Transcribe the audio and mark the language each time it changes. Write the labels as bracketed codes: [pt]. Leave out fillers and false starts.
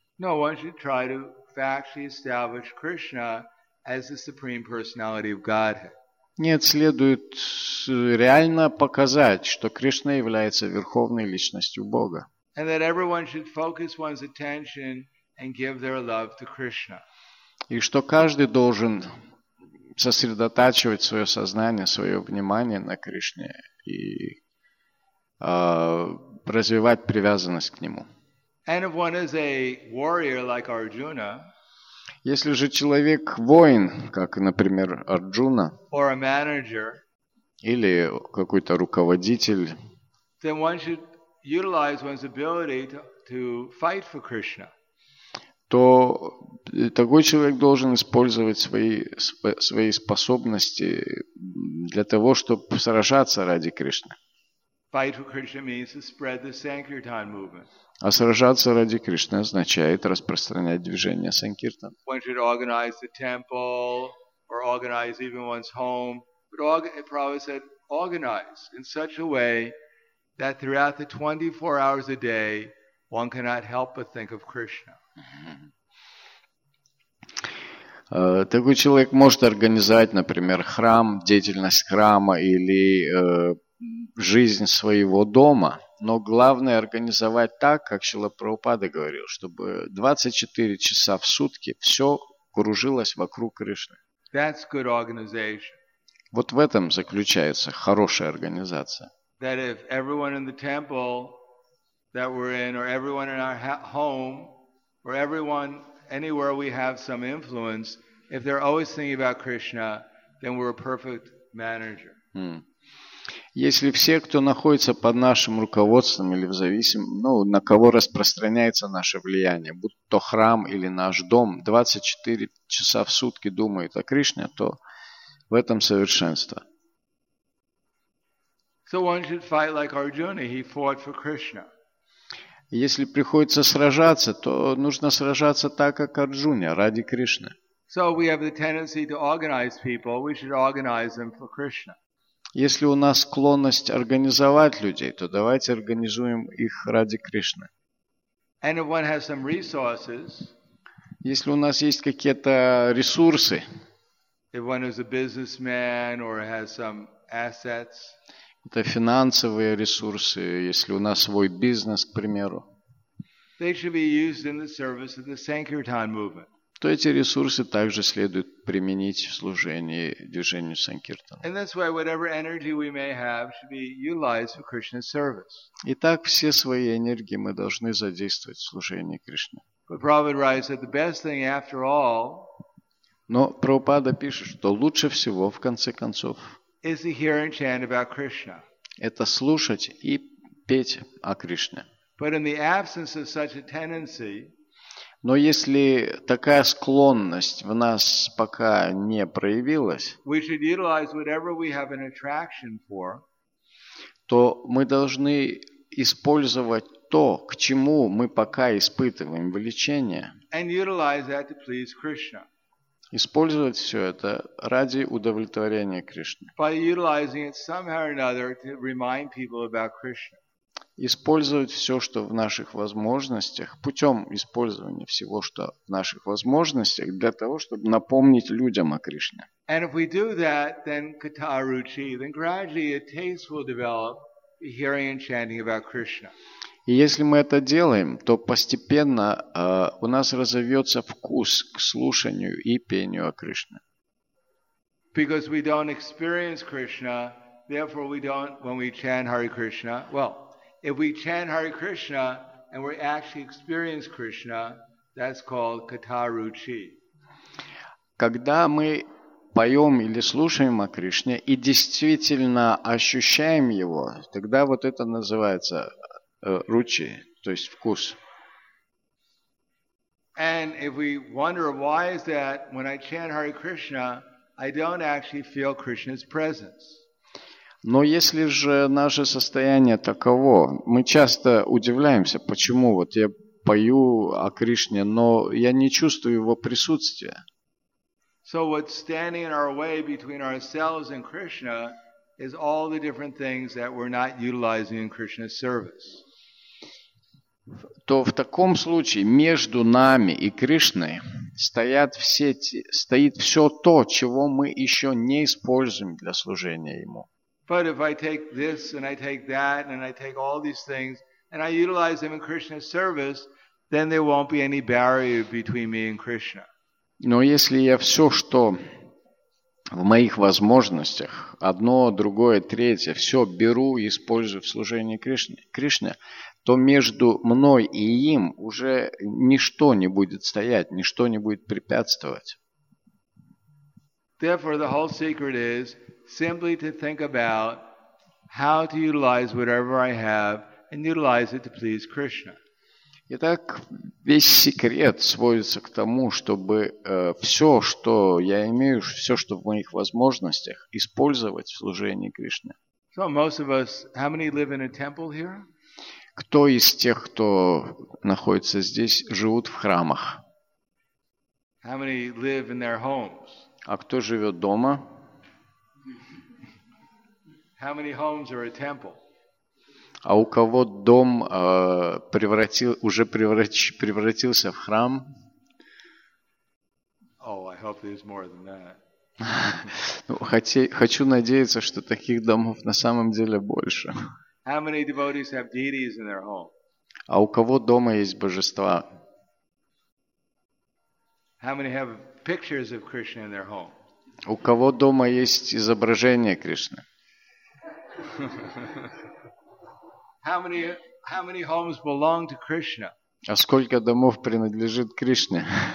[en] No, one should try to factually establish Krishna as the Supreme Personality of Godhead. [ru] Нет, следует реально показать, что Кришна является Верховной Личностью Бога. [en] And that everyone should focus one's attention and give their love to Krishna. [ru] И что каждый должен сосредотачивать свое сознание, свое внимание на Кришне и развивать привязанность к Нему. [en] And if one is a warrior like Arjuna, [ru] если же человек воин, как, например, Арджуна, [en] or a manager, [ru] или какой-то руководитель, [en] then one should utilize one's ability to fight for Krishna. [ru] То такой человек должен использовать свои способности для того, чтобы сражаться ради Кришны. [en] Fight for Krishna means to spread the Sankirtan movement. [ru] А сражаться ради Кришны означает распространять движение Санкиртан. [en] One should organize the temple or organize even one's home. But Prabhupada said, organize in such a way that throughout the 24 hours a day one cannot help but think of Krishna. [ru] Такой человек может организовать, например, храм, деятельность храма или жизнь своего дома, но главное организовать так, как Шрила Прабхупада говорил, чтобы 24 часа в сутки все кружилось вокруг Кришны. [en] That's good organization. [ru] Вот в этом заключается хорошая организация. [en] That if everyone in the temple that we're in, or everyone in our home, or everyone anywhere we have some influence, if they're always thinking about Krishna, then we're a perfect manager. [ru] Если все, кто находится под нашим руководством или на кого распространяется наше влияние, будь то храм или наш дом, 24 часа в сутки думают о Кришне, то в этом совершенство. [en] So one should fight like Arjuna. He fought for Krishna. [ru] Если приходится сражаться, то нужно сражаться так, как Арджуна, ради Кришны. [en] So we have the tendency to organize people. We should organize them for Krishna. [ru] Если у нас склонность организовать людей, то давайте организуем их ради Кришны. [en] And if one has some resources, [ru] если у нас есть какие-то ресурсы, [en] if one is a businessman or has some assets, [ru] это финансовые ресурсы, если у нас свой бизнес, к примеру, [en] they should be used in the service of the Sankirtan movement. [ru] То эти ресурсы также следует применить в служении движению Санкиртан. [en] And that's why whatever energy we may have should be utilized for Krishna's service. [ru] Итак, все свои энергии мы должны задействовать в служении Кришне. [en] But Prabhupada writes that the best thing after all, [ru] но Прабхупада пишет, что лучше всего, в конце концов, [en] is to hear and chant about Krishna. [ru] Это слушать и петь о Кришне. [en] But in the absence of such a tendency, [ru] но если такая склонность в нас пока не проявилась, [en] we should utilize whatever we have an attraction for, [ru] то мы должны использовать то, к чему мы пока испытываем влечение, [en] and utilize that to please Krishna. [ru] Использовать все это ради удовлетворения Кришны. [en] By utilizing it somehow or another to remind people about Krishna. [ru] Использовать все, что в наших возможностях, путем использования всего, что в наших возможностях, для того, чтобы напомнить людям о Кришне. [en] And if we do that, then katha ruchi, then gradually a taste will develop hearing and chanting about Krishna. [ru] И если мы это делаем, то постепенно у нас разовьется вкус к слушанию и пению о Кришне. [en] Because we don't experience Krishna, therefore we don't, when we chant Hare Krishna, well, if we chant Hare Krishna and we actually experience Krishna, that's called katha ruchi. [ru] Когда мы поем или слушаем о Кришне и действительно ощущаем его, тогда вот это называется ручи, то есть вкус. [en] And if we wonder why is that when I chant Hare Krishna, I don't actually feel Krishna's presence. [ru] Но если же наше состояние таково, мы часто удивляемся, почему вот я пою о Кришне, но я не чувствую его присутствия. [en] So what's standing in our way between ourselves and Krishna is all the different things that we're not utilizing in Krishna's service. [ru] То в таком случае между нами и Кришной стоит все то, чего мы еще не используем для служения Ему. [en] But if I take this and I take that and I take all these things and I utilize them in Krishna's service, then there won't be any barrier between me and Krishna. [ru] Но если я все, что в моих возможностях, одно, другое, третье, все беру и использую в служении Кришне, то между мной и им уже ничто не будет стоять, ничто не будет препятствовать. [en] Therefore, the whole secret is simply to think about how to utilize whatever I have and utilize it to please Krishna. [ru] Итак, весь секрет сводится к тому, чтобы все, что я имею, все, что в моих возможностях, использовать в служении Кришне. [en] So most of us, how many live in a temple here? [ru] Кто из тех, кто находится здесь, живут в храмах? [en] How many live in their homes? [ru] А кто живет дома? [en] How many homes are a temple? [ru] А у кого дом превратился в храм? [en] Oh, I hope there's more than that. [ru] Хочу надеяться, что таких домов на самом деле больше. [en] How many devotees have deities in their home? [ru] А у кого дома есть божества? [en] How many have pictures of Krishna in their home? [ru] У кого дома есть изображение Кришны? [en] How many homes belong to Krishna? [ru] А сколько домов принадлежит Кришне?